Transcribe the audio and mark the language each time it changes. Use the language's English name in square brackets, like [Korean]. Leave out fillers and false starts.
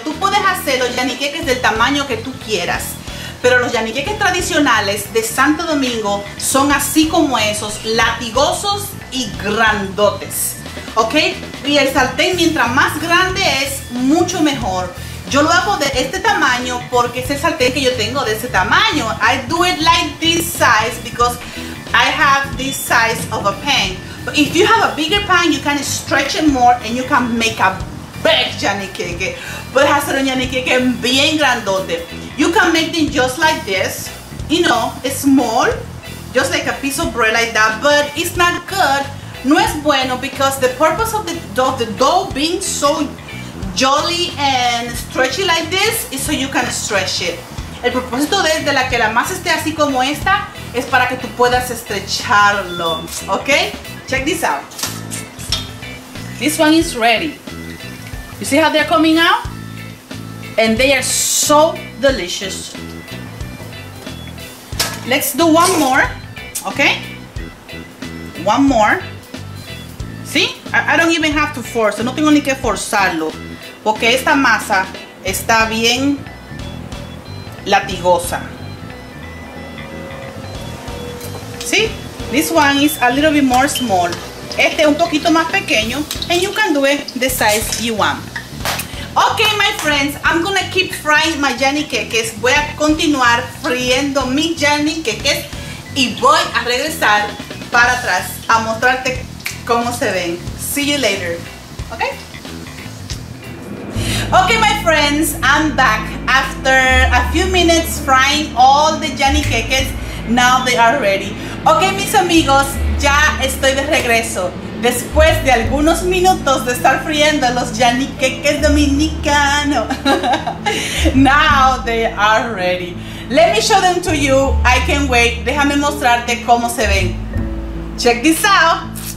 [Spanish] Tú puedes hacer los YANiiiKEKES del tamaño que tú quieras. Pero los YANiiiKEKES tradicionales de Santo Domingo son así como esos, latigosos y grandotes. ¿Ok? Y el sartén, mientras más grande es, mucho mejor. Yo lo hago de este tamaño porque es el sartén que yo tengo de ese tamaño. [English] I do it like this size because I have this size of a pan. But if you have a bigger pan, you can stretch it more and you can make a big YANiiiKEKE. [Spanish] Puedes hacer un YANiiiKEKE bien grandote. [English] You can make it just like this. You know, it's small, just like a piece of bread like that, but it's not good. [Spanish] No es bueno [English] because the purpose of the dough being so jolly and stretchy like this is so you can stretch it. [Spanish] El propósito de la que la masa esté así como esta es para que tú puedas estrecharlo, okay? [English] Check this out. This one is ready. You see how they're coming out? And they are so delicious. Let's do one more, okay? One more. See? I don't even have to force. [Spanish] No tengo ni que forzarlo. Porque esta masa está bien latigosa. [English] See? This one is a little bit more small. [Spanish] Este es un poquito más pequeño. [English] And you can do it the size you want. Okay, my friends. I'm going to keep frying my YANiiiKEKES. [Spanish] Voy a continuar friendo mis YANiiiKEKES. Y voy a regresar para atrás a mostrarte cómo se ven. [English] See you later. Okay? Okay, my friends. I'm back after a few minutes frying all the YANiiiKEKES. Now they are ready. [Spanish] Ok, mis amigos, ya estoy de regreso. Después de algunos minutos de estar friendo los YANiiiKEKES Dominicano. [English] Now they are ready. Let me show them to you. I can't wait. [Spanish] Déjame mostrarte cómo se ven. [English] Check this out.